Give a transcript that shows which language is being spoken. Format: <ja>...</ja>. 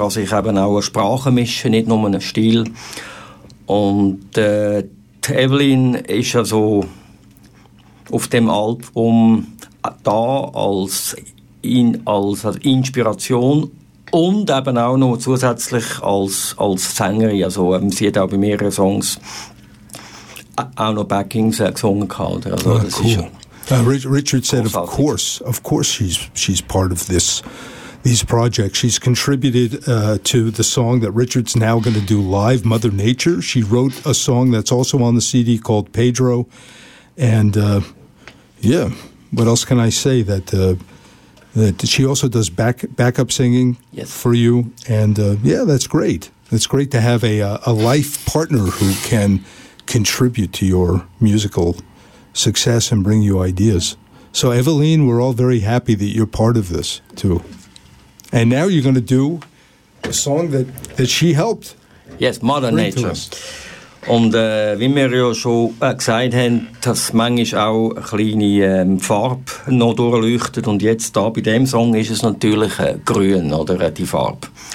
<de>Also ich eben auch eine Sprache mische, nicht nur einen Stil. Und Evelyn ist also auf dem Album da als Inspiration und eben auch noch zusätzlich als Sängerin. Also sie hat auch bei mehreren Songs auch noch Backings gesungen gehabt. Also, ah, das cool.</de> <en>Ist Richard said, of course she's part of these projects. She's contributed to the song that Richard's now going to do live, Mother Nature. She wrote a song that's also on the CD called Pedro. And what else can I say that she also does backup singing for you. And that's great. It's great to have a life partner who can contribute to your musical success and bring you ideas. So, Eveline, we're all very happy that you're part of this, too. And now you're going to do a song that she helped. Yes, Mother Nature.</en> <de>Und wie wir ja schon gesagt haben, dass manchmal auch eine kleine Farbe noch durchleuchtet. Und jetzt da bei dem Song ist es natürlich grün, oder die Farbe.</de>